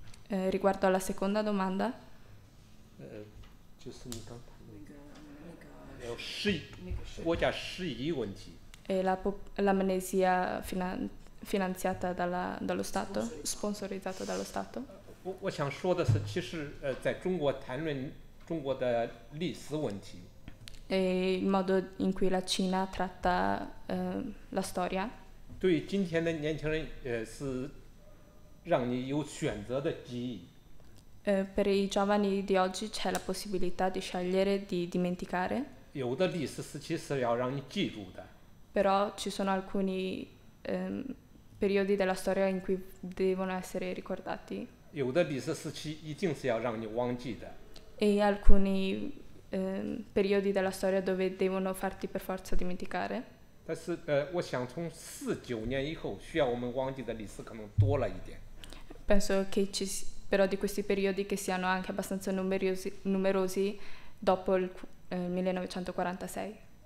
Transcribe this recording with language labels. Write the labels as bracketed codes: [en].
[it] Riguardo alla seconda domanda. [zh] 就是你刚谈的那个国家失仪问题。 [it] L'amnesia finanziata dallo Stato, sponsorizzata dallo Stato. [zh] 我想说的是，其实在中国谈论中国的历史问题。 [it] E il modo in cui la Cina tratta la storia. [zh] 对今天的年轻人，是让你有选择的记忆。 [it] Per i giovani di oggi c'è la possibilità di scegliere di dimenticare. [zh] 有的历史时期是要让你记住的。 [it] Però ci sono alcuni periodi della storia in cui devono essere ricordati. E [zh] 有的历史时期一定是要让你忘记的。 [it] alcuni periodi della storia dove devono farti per forza dimenticare. [zh] 但是，我想从49年以后，需要我们忘记的历史可能多了一点。 [it] Penso che ci sia però di questi periodi che siano anche abbastanza numerosi dopo il 1946.